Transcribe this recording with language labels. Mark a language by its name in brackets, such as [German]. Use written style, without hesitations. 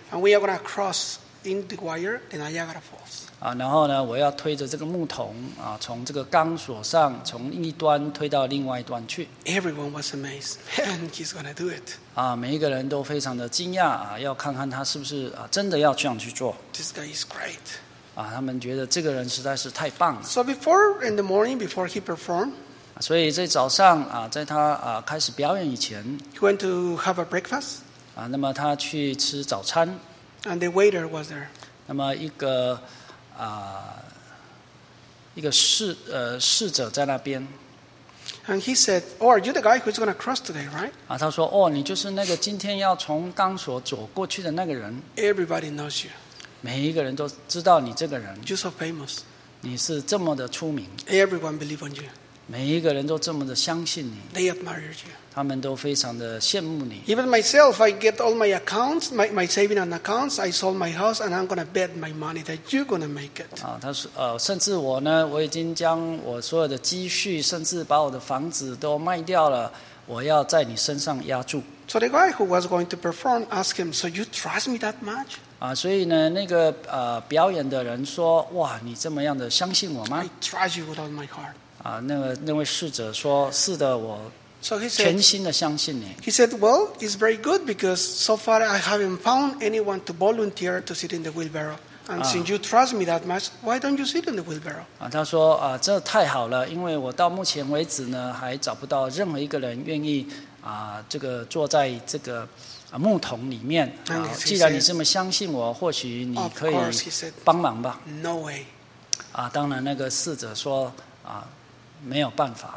[English] And we are going to cross in the wire the Niagara Falls. [Chinese] 然后呢，我要推着这个木桶从这个钢索上从一端推到另外一端去。 [English] Everyone was amazed, and he's going to do it. [Chinese] 每一个人都非常的惊讶要看看他是不是真的要这样去做。 [English] This guy is great. [Chinese] 他们觉得这个人实在是太棒了。 [English] So before in the morning, before he performed, [Chinese] 所以在早上在他开始表演以前 [English] ，he went to have a breakfast. [Chinese] 那么他去吃早餐。 [English] And the waiter was there. [Chinese] 那么一个侍者在那边。 [English] And he said, "Oh, are you the guy who's going to cross today, right?" [Chinese] 他说，哦，你就是那个今天要从钢索走过去的那个人。 [English] Everybody knows you. [Chinese] 每一个人都知道你这个人。 [English] You're so famous. [Chinese] 你是这么的出名。 [English] Everyone believes on you. [Chinese] 每一个人都这么的相信你。 [English] They admire you. [Chinese] 他们都非常的羡慕你。 [English] Even myself, I get all my accounts, my savings and accounts. I sold my house, and I'm going to bet my money that you're going to make it. [Chinese] 啊，他说，甚至我呢，我已经将我所有的积蓄，甚至把我的房子都卖掉了，我要在你身上押注。 [English] So the guy who was going to perform asked him, "So you trust me that much?" [Chinese] 啊，所以呢，那个表演的人说，哇，你这么样的相信我吗 [English] ？I trust you with all my heart. [Chinese] 啊，那位侍者说，是的，我全心的相信你。 [English] So、he said, "Well, it's very good because so far I haven't found anyone to volunteer to sit in the wheelbarrow. And since you trust me that much, why don't you sit in the wheelbarrow?" [Chinese] 啊，他说啊，这太好了，因为我到目前为止呢，还找不到任何一个人愿意。啊，这个坐在这个木桶里面。啊，既然你这么相信我，或许你可以帮忙吧。 [English] No way. [Chinese] 啊，当然那个侍者说啊，没有办法。